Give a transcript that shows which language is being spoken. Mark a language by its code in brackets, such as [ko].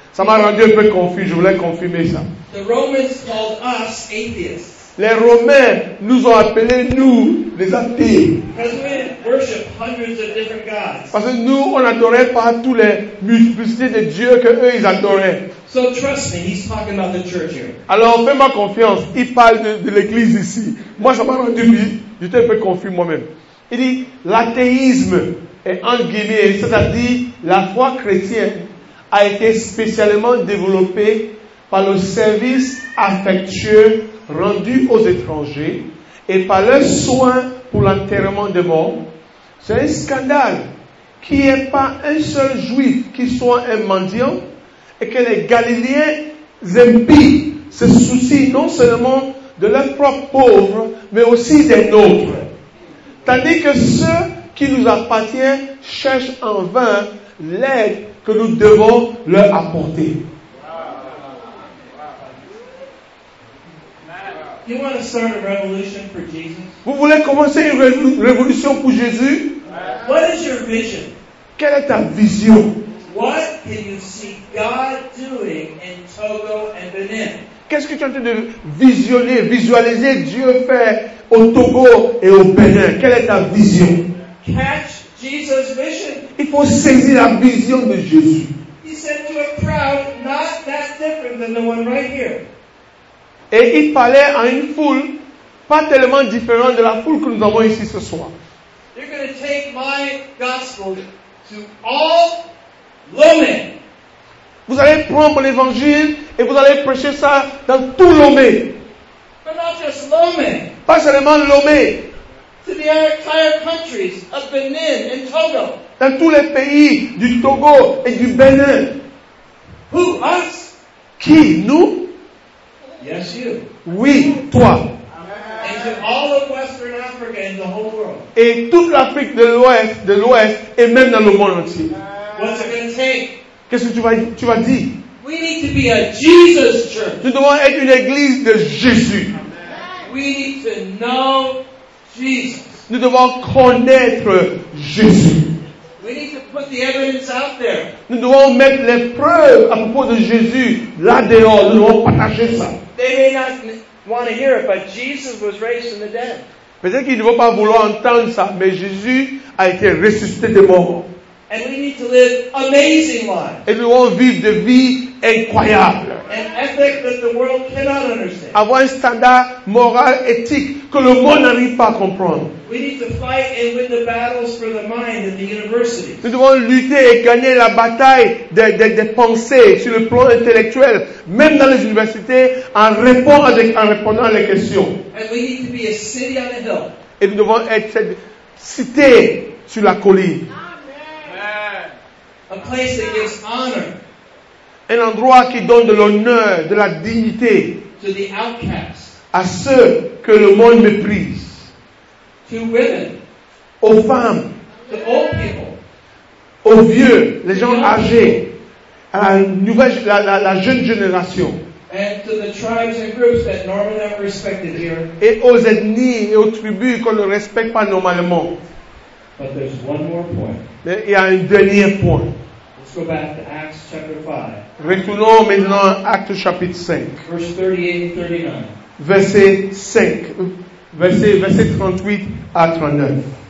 [fr] Ça m'a rendu un peu confus, je voulais confirmer ça. [en] The Romans called us atheists. [fr] Les Romains nous ont appelés, nous, les athées. [en] Because we worship hundreds of different gods. [fr] Parce que nous, on n'adorait pas toutes les multiplicités de dieux que eux, ils adoraient. [en] So trust me, he's talking about the church here. [fr] Alors fais-moi confiance, il parle de l'église ici. Moi, ça m'a rendu, j'étais un peu confus moi-même. Il dit, l'athéisme, est en guillemets, c'est-à-dire la foi chrétienne, a été spécialement développée par le service affectueux rendu aux étrangers et par leurs soins pour l'enterrement des morts. C'est un scandale qu'il n'y ait pas un seul juif qui soit un mendiant et que les Galiléens impies se soucient non seulement de leurs propres pauvres, mais aussi des nôtres. Tandis que ceux qui nous appartiennent cherchent en vain l'aide que nous devons leur apporter. [en] You want to start a revolution for Jesus? [fr] Vous voulez commencer une révolution pour Jésus? [en] What is your vision? [fr] Quelle est ta vision? [en] What can you see God doing in Togo and Benin? [fr] Qu'est-ce que tu es en train de visualiser Dieu faire au Togo et au Benin? Quelle est ta vision? [en] Catch Jesus' vision. [fr] Il faut saisir la vision de Jésus. [en] He said to a crowd not that different than the one right here. [fr] Et il parlait à une foule pas tellement différente de la foule que nous avons ici ce soir. [en] You're going to take my gospel to all Lomé. [fr] Vous allez prendre l'évangile et vous allez prêcher ça dans tout Lomé. [en] But not just Lomé. [fr] Pas seulement Lomé. [en] To the entire countries of Benin and Togo. [fr] Dans tous les pays du Togo et du Benin. [en] Who, us? [fr] Qui, nous? [en] Yes, you. [fr] Oui, toi. [en] And to all of Western Africa and the whole world. [fr] Et toute l'Afrique de l'Ouest et même dans le monde entier. [en] What's it going to take? [fr] Qu'est-ce que tu vas dire? [en] We need to be a Jesus church. [fr] Nous devons être une église de Jésus. [en] We need to know Jesus. [fr] Nous devons connaître Jésus. [en] We need to put the evidence out there. [fr] Nous devons mettre les preuves à propos de Jésus là dehors. Nous devons partager ça. [en] They may not want to hear it, but Jesus was raised from the dead. [fr] Peut-être qu'ils ne vont pas vouloir entendre ça, mais Jésus a été ressuscité des morts. [en] And we need to live amazing lives. [fr] Et nous devons vivre des vies incroyables. [en] An ethic that the world cannot understand. [fr] Avoir un standard moral, éthique, que le monde n'arrive pas à comprendre. [en] We need to fight and win the battles for the mind at the universities. [fr] Nous devons lutter et gagner la bataille des pensées sur le plan intellectuel, même dans les universités, en répondant à des questions. [en] And we need to be a city on a hill. [fr] Et nous devons être cette cité sur la colline. [en] A place that gives honor. [fr] Un endroit qui donne de l'honneur, de la dignité. [en] To the outcasts. [fr] À ceux que le monde méprise. [en] To women. [fr] Aux femmes. [en] To old people. [fr] Aux vieux, les gens âgés. À la jeune génération. [en] And to the tribes and groups that normally aren't respected here. [fr] Et aux ethnies et aux tribus qu'on ne respecte pas normalement. [en] But there's one more point. [fr] Mais il y a un dernier point. [en] Let's go back to Acts chapter 5. [fr] Retournons maintenant à Actes chapitre 5. [en] Verse 38 and 39. [fr] Verset 38 à 39.